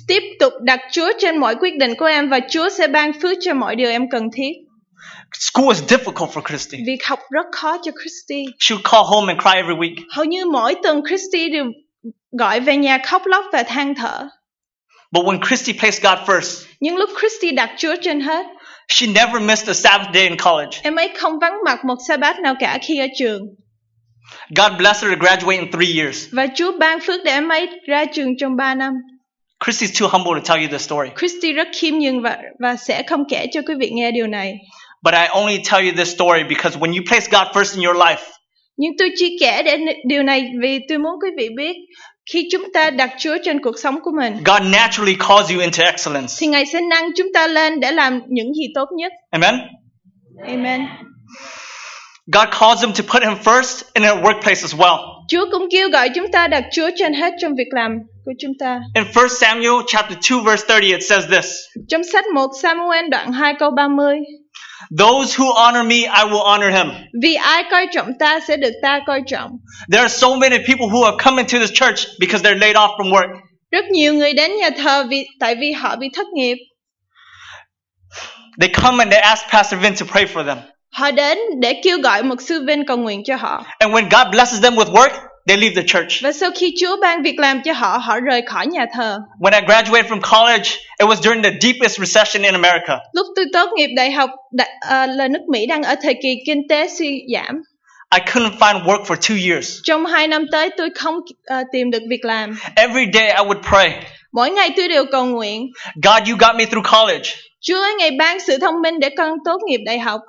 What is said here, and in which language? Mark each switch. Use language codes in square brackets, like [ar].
[vi] Tiếp tục đặt Chúa trên mọi quyết định của em và Chúa sẽ ban phước cho mọi điều em cần thiết. [en] School was difficult for Christy. [vi] Việc học rất khó cho Christy. [en] She would call home and cry every week. [vi] Hầu như mỗi tuần Christy đều gọi về nhà khóc lóc và than thở. [en] But when Christy placed God first, [vi] nhưng lúc Christy đặt Chúa trên hết, [en] she never missed a Sabbath day in college. [vi] Em ấy không vắng mặt một Sabbath nào cả khi ở trường. [en] God blessed her to graduate in 3 years. [vi] Và Chúa ban phước để em ấy ra trường trong 3 năm. [en] Christy's too humble to tell you the story. [vi] Christy rất khiêm nhường và sẽ không kể cho quý vị nghe điều này. [en] But I only tell you this story because when you place God first in your life, [vi] nhưng tôi chỉ kể điều này vì tôi muốn quý vị biết khi chúng ta đặt Chúa trên cuộc sống của mình, [en] God naturally calls you into excellence. [vi] Thì Ngài sẽ nâng chúng ta lên để làm những gì tốt nhất. [en] Amen. Amen. God calls him to put him first in our workplace as well. [vi] Chúa cũng kêu gọi chúng ta đặt Chúa trên hết trong việc làm của chúng ta. [en] In 1 Samuel chapter 2 verse 30 it says this. [vi] Trong sách 1 Samuel đoạn 2 câu 30. [en] Those who honor me, I will honor him. [vi] Vì ai coi trọng ta sẽ được ta coi trọng. [en] There are so many people who are coming to this church because they're laid off from work. [vi] Rất nhiều người đến nhà thờ tại vì họ bị thất nghiệp. [en] They come and they ask Pastor Vin to pray for them. [vi] Họ đến để kêu gọi mục sư Vin cầu nguyện cho họ. [en] And when God blesses them with work, they leave the church. [vi] Và sau khi Chúa ban việc làm cho họ, họ rời khỏi nhà thờ. [en] When I graduated from college, it was during the deepest recession in America. [vi] Lúc tôi tốt nghiệp đại học, là nước Mỹ đang ở thời kỳ kinh tế suy giảm. [en] I couldn't find work for 2 years. [vi] Trong 2 năm tới, tôi không tìm được việc làm. [en] Every day I would pray. [vi] Mỗi ngày tôi đều cầu nguyện. [en] God, you got me through college. [vi] Chúa ơi, Ngài ban sự thông minh để con tốt nghiệp đại học.